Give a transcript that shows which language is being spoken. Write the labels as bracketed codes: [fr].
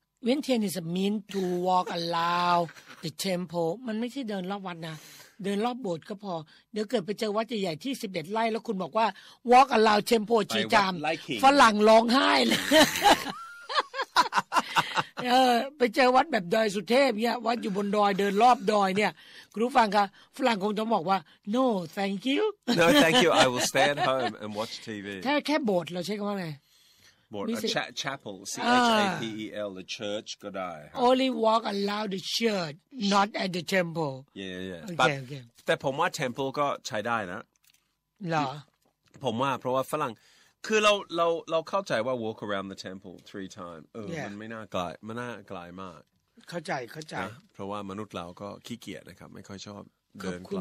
[th] เวียนเทียน [en] is a mean to walk around the temple [th] มันไม่ใช่เดินรอบวัดนะเดินรอบโบสถ์ก็พอเดี๋ยวเกิดไปเจอวัดใหญ่ๆที่11ไร่แล้วคุณบอกว่า [en] walk around temple [th] จีจามฝรั่งร้องไห้เลย เออไปเจอวัดแบบดอยสุเทพเนี่ยวัดอยู่บนดอยเดินรอบดอยเนี่ยครูฟังค่ะฝรั่งคงจะบอกว่า [en] no thank you no thank you I will stay at home and watch TV [th] แค่โบสถ์เราใช้คำว่าไง [en] Board, a chapel, C-H-A-P-E-L, the church, God I. Only walk around the church, not at the temple. Yeah, yeah, yeah. Okay, [th] but, แต่ผมว่า temple ก็ใช้ได้นะ หรอ ผมว่าเพราะว่าฝรั่งคือเราเข้าใจว่า [en] walk around the temple three times. Yeah. [th] มันไม่น่าไกลมาก เข้าใจเข้าใจ เพราะว่ามนุษย์เราก็ขี้เกียจนะครับไม่ค่อยชอบเดินไกล